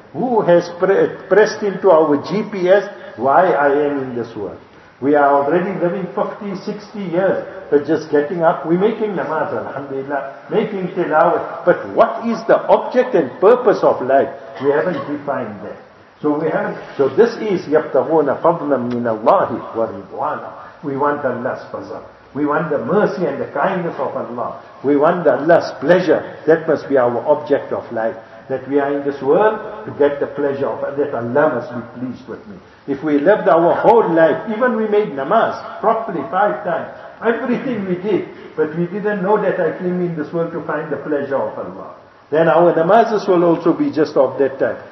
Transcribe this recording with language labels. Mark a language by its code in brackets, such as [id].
[en] Who has pressed into our GPS why I am in this world? We are already living 50, 60 years, but just getting up, we're making namaz, alhamdulillah, making tilawat. But what is the object and purpose of life? We haven't defined that. So we have. So this is [ar] يَبْتَغُونَ فَضْلًا مِّنَ اللَّهِ وَرِضْوَانًا. [en] We want Allah's fazal. We want the mercy and the kindness of Allah. We want Allah's pleasure. That must be our object of life. That we are in this world to get the pleasure of Allah, that Allah must be pleased with me. If we lived our whole life, even we made namaz properly 5 times, everything we did, but we didn't know that I came in this world to find the pleasure of Allah, then our namazes will also be just of that type.